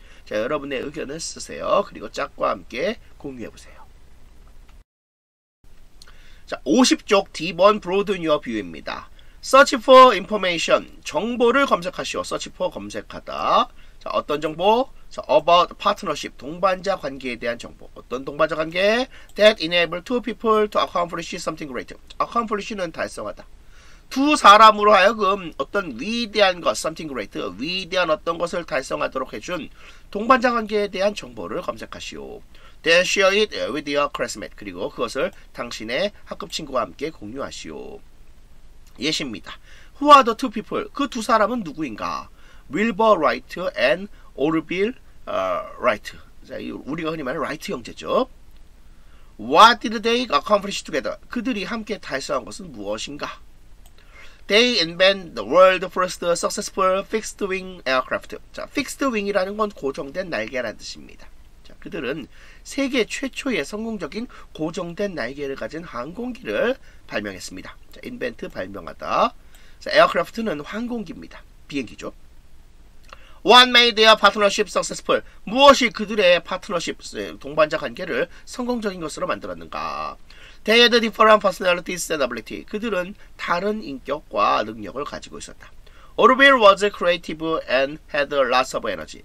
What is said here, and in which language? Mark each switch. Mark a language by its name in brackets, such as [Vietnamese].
[Korean] 자, 여러분의 의견을 쓰세요. 그리고 짝과 함께 공유해 보세요. 자, 50쪽 D번 [English] Broaden your view입니다. Search for information. [Korean] 정보를 검색하시오. [English] Search for [Korean] 검색하다. 자, 어떤 정보? [English] 자, about partnership. [Korean] 동반자 관계에 대한 정보. 어떤 동반자 관계? [English] That enable two people to accomplish something great. [Korean] Accomplish는 달성하다. 두 사람으로 하여금 어떤 위대한 것, [English] something great. [Korean] 위대한 어떤 것을 달성하도록 해준 동반자 관계에 대한 정보를 검색하시오. [English] Then share it with your classmate. [Korean] 그리고 그것을 당신의 학급 친구와 함께 공유하시오. 예시입니다. [English] Who are the two people? [Korean] 그 두 사람은 누구인가? [English] Wilbur Wright and Orville Wright. [Korean] 자, 우리가 흔히 말하는 Wright 형제죠. [English] What did they accomplish together? [Korean] 그들이 함께 달성한 것은 무엇인가? [English] They invented the world's first successful fixed-wing aircraft. [Korean] 자, fixed-wing이라는 건 고정된 날개라는 뜻입니다. 자, 그들은 세계 최초의 성공적인 고정된 날개를 가진 항공기를 발명했습니다. 자, invent 발명하다. 자, aircraft는 항공기입니다. 비행기죠. [English] What made their partnership successful? [Korean] 무엇이 그들의 partnership, 동반자 관계를 성공적인 것으로 만들었는가? [English] They had different personalities and ability. [Korean] 그들은 다른 인격과 능력을 가지고 있었다. [English] Orville was creative and had lots of energy.